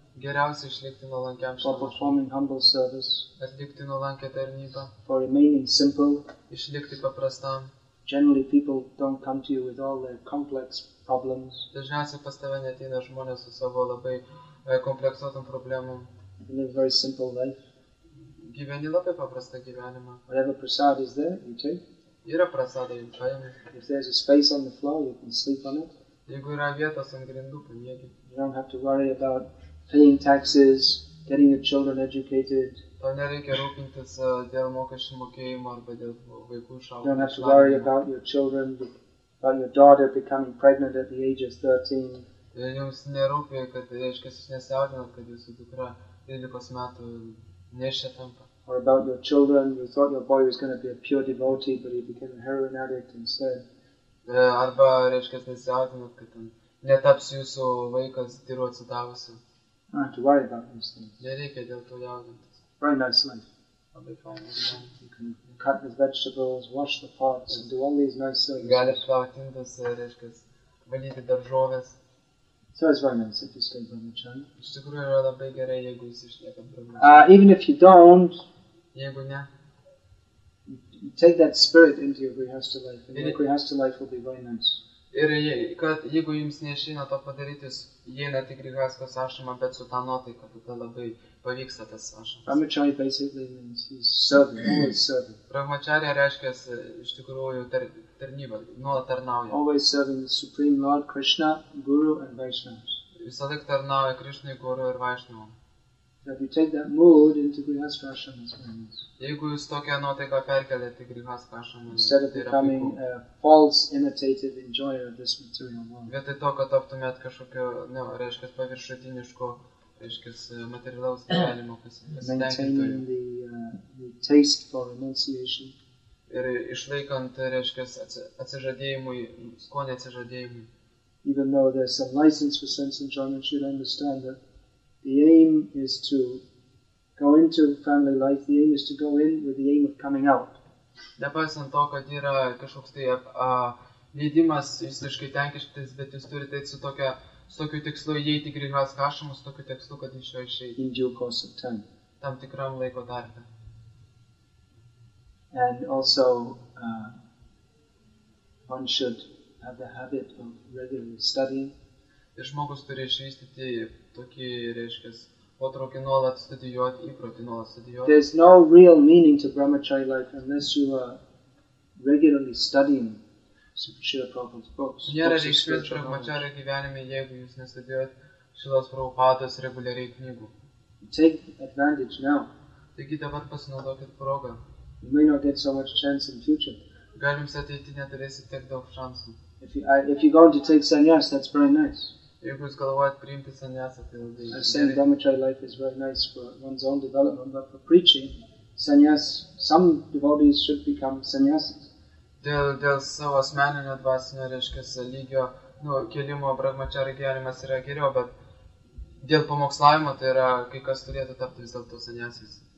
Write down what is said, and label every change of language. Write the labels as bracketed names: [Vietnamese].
[Lithuanian] Geriausia išlikti nuolankiam šiam. [English] For performing humble service. [Lithuanian] Atlikti nuolankią tarnybą. [English] For remaining simple. [Lithuanian] Išlikti paprastam. [English] Generally people don't come to you with all their complex problems. [Lithuanian] Dažniausiai pas tave neateina žmonės su savo labai kompleksuotom problemom. [English] You live a very simple life. [Lithuanian] Gyveni labai paprastą gyvenimą. [English] Whatever prasad is there, you take. [Lithuanian] Yra prasada, jums paimi. [English] If there's a space on the floor, you can sleep on it. [Lithuanian] Jeigu yra vietos ant grindų, pamiegi. [English] You don't have to worry about paying taxes, getting your children educated. [Lithuanian] Tau nereikia rūpintis dėl mokesčių mokėjimo arba dėl vaikų išauklėjimo. [English] You don't have to worry about your children, about your daughter becoming pregnant at the age of 13. [Lithuanian] Jums nerūpi, kad, reiškia, jūs nesijaudinat, kad jūsų dukra 13 metų nešia tampa. [English] Or about your children, you thought your boy was going to be a pure devotee, but he became a heroin addict instead. [Lithuanian] Arba, reiškia, nesijaudinat, kad netaps jūsų vaikas tyru atsidavusiu. [English] I don't have to worry about these things. [Lithuanian] Nereikia dėl to jaudintis. [English] Very nice life. [Lithuanian] Labai [English] fine. You can cut the vegetables, wash the pots, and do all these nice things. [Lithuanian] Gali plauti indus, reiškia, valyti daržoves. [English] So it's very nice if you stay Brahmacharya. [Lithuanian] Iš tikrųjų yra labai gerai, jeigu jis išlieka [English] Brahmacharya. Even if you don't, [Lithuanian] jeigu ne, [English] you take that spirit into your grihastha life, and your grihastha life will be very nice. [Lithuanian] Ir kad jeigu jums neišina to padaryti, jie ne tik grihastha ašrama, bet su tą nuotaiką, tada labai pavyksta tas ašramas. [English] Brahmacharya basically means he's serving, always serving. [Lithuanian] Brahmacharya reiškia, iš tikrųjų, tarnybą, nuolat tarnauja. [English] Always serving the Supreme Lord Krishna, Guru and Vaishnavas. [Lithuanian] Visą laiką tarnauja Krishnai, Guru ir Vaishnavam. [English] So if you take that mood into grihastha ashrama, it's very nice. [Lithuanian] Jeigu jūs tokią nuotaiką perkelėt į grihastha ashramą, [English] instead of becoming a false imitative enjoyer of this material world. [Lithuanian] Vietoj to, kad taptumėt kažkokio, ne, reiškia, paviršutiniško, reiškia, materialaus gyvenimo pasitenkinimo. Ir išlaikant, reiškia, atsižadėjimui, skonį atsižadėjimui. [English] Even though there's some license for sense enjoyment, you'd understand that the aim is to go into family life, the aim is to go in with the aim of coming out. [Lithuanian] Nepaisant to, kad yra kažkoks tai leidimas visiškai tenkintis, bet jūs turite su tokiu tikslu įeiti į grihastha ashramą, su tokiu tikslu, kad iš jo išeiti. [English] In due course of time. [Lithuanian] Tam tikram laiko tarpe. [English] And also, one should have the habit of regularly studying. [Lithuanian] Ir žmogus turi išvystyti tokį, reiškia, potraukį nuolat studijuoti, įprotį nuolat studijuoti. [English] There's no real meaning to Brahmacharya life unless you are regularly studying Srila Prabhupada's books. [Lithuanian] Nėra reikšmės Brahmacharya gyvenime, jeigu jūs nestudijuot Šilos Prabhupados reguliariai knygų. [English] Take advantage now. [Lithuanian] Taigi dabar pasinaudokit progą. [English] You may not get so much chance in future. [Lithuanian] Gal jums ateity neturėsit tiek daug šansų. [English] If you go to take sannyas, that's very nice. [Lithuanian] Jeigu jūs galvojat priimti sannyasą, tai labai gerai. [English] I say Brahmacharya life is very nice for one's own development, but for preaching, sannyas, some devotees should become sannyasis. [Lithuanian] Dėl savo asmeninio dvasinio, reiškia, lygio, nu, kelimo Brahmacharya gyvenimas yra geriau, bet dėl pamokslavimo tai yra, kai kas turėtų tapti vis dėlto sannyasis.